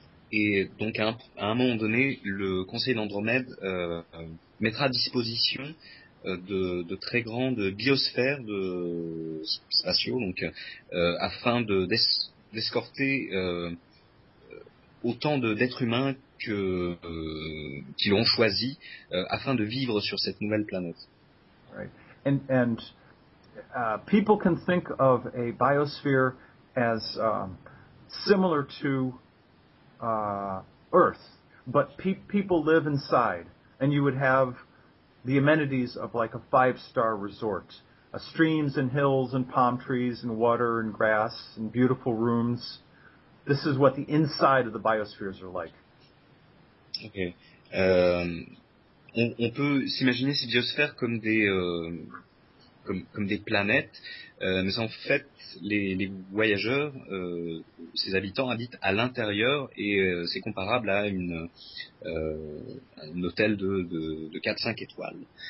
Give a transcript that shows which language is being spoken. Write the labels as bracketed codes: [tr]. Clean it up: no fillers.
[fr] Et donc à un moment donné, le Conseil d'Andromède mettra à disposition de très grandes biosphères de spatiaux, donc afin d'escorter autant d'êtres humains qui l'ont choisi afin de vivre sur cette nouvelle planète. [en] Right. And people can think of a biosphere as similar to Earth, but people live inside, and you would have the amenities of like a five-star resort, streams and hills and palm trees and water and grass and beautiful rooms. This is what the inside of the biospheres are like. Okay. [fr] On peut s'imaginer ces biosphères comme des planètes, mais en fait, les voyageurs, ces habitants habitent à l'intérieur et c'est comparable à un hôtel de 4-5 étoiles.